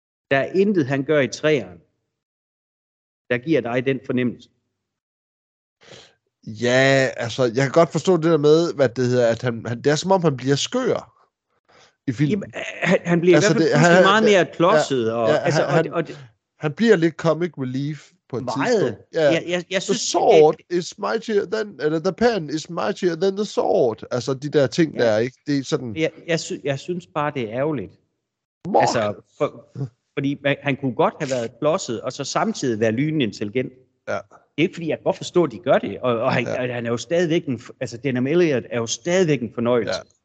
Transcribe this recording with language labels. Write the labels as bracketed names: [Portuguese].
[Danish] Der er intet, han gør i træeren, der giver dig den fornemmelse. Ja, altså, jeg kan godt forstå det der med, hvad det hedder, at han det er som om, han bliver skør i filmen. Jamen, han bliver altså, mere klodset. Han bliver lidt comic relief på et tidspunkt. Meget. Jeg synes, [English] the sword is mightier than, [Danish] eller [English] the pen is mightier than the sword. [Danish] Altså de der ting, der er ikke. Det er sådan... Jeg synes bare, det er ærgerligt. Altså, fordi han kunne godt have været blosset, og så samtidig være lynintelligent. Ja. Det er ikke, fordi jeg godt forstår, at de gør det. Og han er jo stadigvæk en... Altså, Denham Elliot er jo stadigvæk en fornøjelse.